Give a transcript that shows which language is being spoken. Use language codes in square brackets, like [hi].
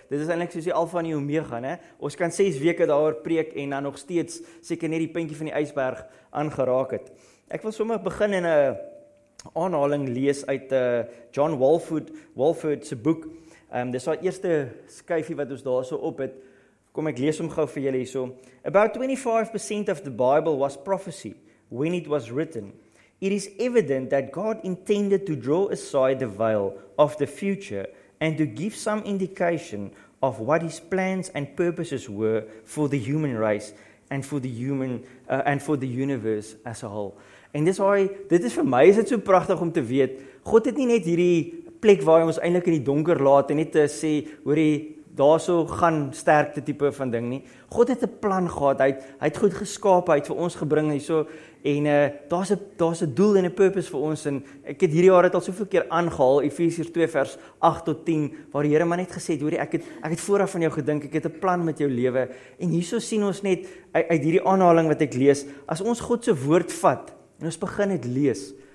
[af] Dit is eintlik soos die alfa en die omega, né? Ons kan 6 weke daaroor preek en dan nog steeds seker net die puntjie van die ysberg aangeraak het. Ek wil sommer begin in 'n aanhaling lees uit John Walford se boek. Dis al eerste skyfie wat ons daarso op het. Kom ek lees hom gou vir julle hierso. [en] About 25% of the Bible was prophecy when it was written. It is evident that God intended to draw aside the veil of the future and to give some indication of what his plans and purposes were for the human race and for the human and for the universe as a whole. [af] En dit is vir my is dit so pragtig om te weet, God het nie net hierdie plek waar hy ons eintlik in die donker laat en net te sê, hoorie, daarso gaan sterkte tipe van ding nie. God het 'n plan gehad, hy het goed geskaap, hy het vir ons gebring hierso en daar's 'n doel en 'n purpose vir ons en ek het hierdie jaar dit al soveel keer aangehaal, Efesiërs 2 vers 8 tot 10, waar die Here maar net gesê het, hoorie, ek het vooraf van jou gedink, ek het 'n plan met jou lewe en hierso sien ons net uit hierdie aanhaling wat ek lees, as ons God se woord vat en ons begin dit lees,